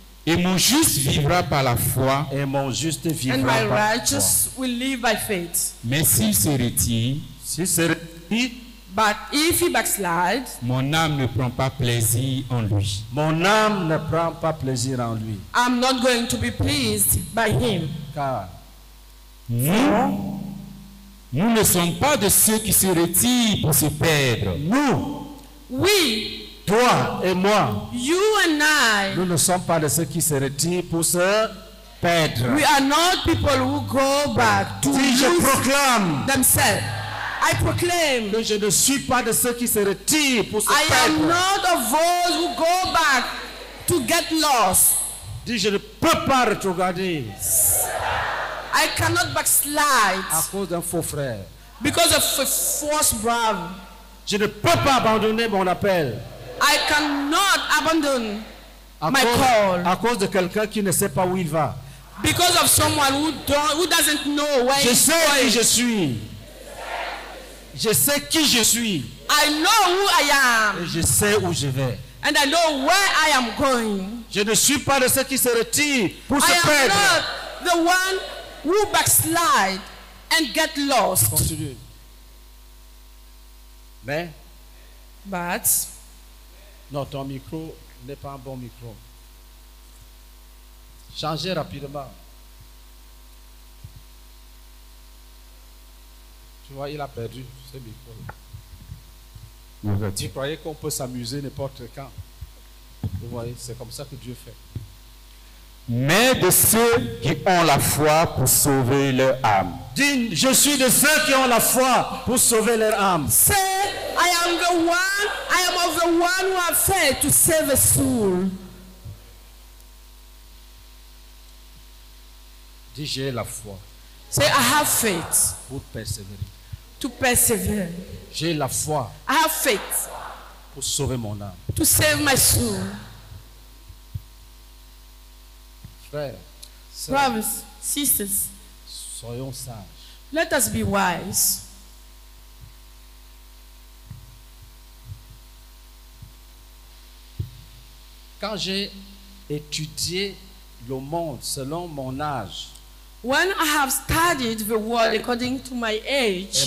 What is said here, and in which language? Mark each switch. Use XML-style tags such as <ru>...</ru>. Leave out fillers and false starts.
<fr>Et mon juste vivra par la foi. Et mon juste vivra par la</fr> <en>foi. And my righteous will live by faith.</en> <fr>Mais s'il se retire. S'il se retire.</fr> <en>But if he backslides,</en> <fr>mon âme ne prend pas plaisir en lui. Mon âme ne prend pas plaisir en lui.</fr> <en>I'm not going to be pleased by him.</en> <fr>Car nous ne sommes pas de ceux qui se retirent pour se perdre. Nous, oui, toi et moi,</fr> <en>you and I,</en> <fr>nous ne sommes pas de ceux qui se retirent pour se perdre.</fr> <en>We are not people who go back to</en> <fr>si</fr> <en>lose</en> <fr>je proclame</fr> <en>themselves. I proclaim</en> <fr>que je ne suis pas de ceux qui se retirent pour se perdre.</fr> <en>I am not of those who go back to get lost.</en> <fr>Dis, je ne peux pas retourner.</fr> <en>I cannot backslide.</en> <fr>À cause d'un faux frère.</fr> <en>Because of a false brother.</en> <fr>Je ne peux pas abandonner mon appel.</fr> <en>I cannot abandon my call.</en> <fr>À cause de quelqu'un qui ne sait pas où il va.</fr> <en>Because of someone who doesn't know where he's going.</en> <fr>Je sais qui je suis. Je sais qui je suis.</fr> <en>I know who I am.</en> <fr>Et je sais où je vais.</fr> <en>And I know where I am going.</en> <fr>Je ne suis pas de ceux qui se retirent pour se perdre.</fr> <en>I am not the one who backslide and get lost.</en> <fr>Continue. Mais.</fr> <en>But.</en> <fr>Non, ton micro n'est pas un bon micro. Changez rapidement. Tu vois, il a perdu ce micro. Tu croyais qu'on peut s'amuser n'importe quand. Vous voyez, c'est comme ça que Dieu fait. Mais de ceux qui ont la foi pour sauver leur âme. Dis, je suis de ceux qui ont la foi pour sauver leur âme.</fr> <en>Say, I am the one, I am of the one who have faith to save a soul.</en> <fr>Dis, j'ai la foi.</fr> <en>Say, I have faith.</en> <fr>Pour persévérer.</fr> <en>To persevere.</en> <fr>J'ai la foi.</fr> <en>I have faith.</en> <fr>Pour sauver mon âme.</fr> <en>To save my soul.</en> <fr>frères, sœurs,</fr> <en>brothers, sisters,</en> <fr>soyons sages.</fr> <en>Let us be wise.</en> <fr>Quand j'ai étudié le monde selon mon âge,</fr> <en>when I have studied the world according to my age</en>